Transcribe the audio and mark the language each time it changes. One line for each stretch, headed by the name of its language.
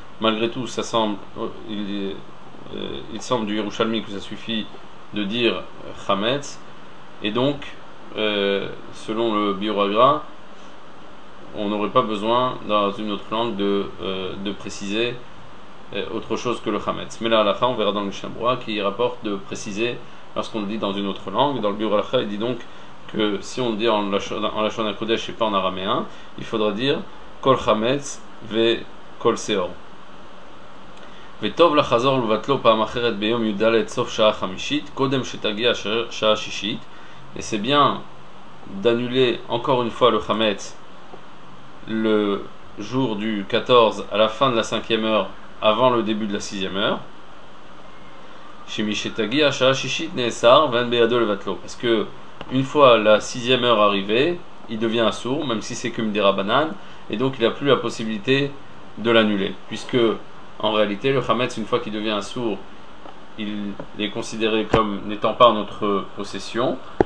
French: Malgré tout, il semble du Yerushalmi que ça suffit de dire Chametz, et donc selon le Biur Hagra, on n'aurait pas besoin dans une autre langue de préciser autre chose que le Chametz. Mais là à la fin, on verra dans le Mishnah Berurah qui rapporte de préciser lorsqu'on le dit dans une autre langue. Dans le Biur Hagra, il dit donc que si on le dit en lachon HaKodesh et pas en araméen, il faudra dire
Hebrew: Kol Chametz ve Kol Seor. וטוב לחזור ולבטלו פעם אחרת ביום י' ד' סוף שעה חמישית, קודם שתגיע שעה שישית.
French: Et c'est bien d'annuler encore une fois le Chametz le jour du 14 à la fin de la 5e heure avant le début de la 6e heure.
Hebrew: שמי שתגיע שעה שישית נאסר ואין בידו לבטלו.
French: Parce que une fois la 6e heure arrivée, il devient sourd, même si c'est que Mdérabanan, et donc il n'a plus la possibilité de l'annuler. Puisque en réalité, le Chametz, une fois qu'il devient sourd, il est considéré comme n'étant pas en notre possession.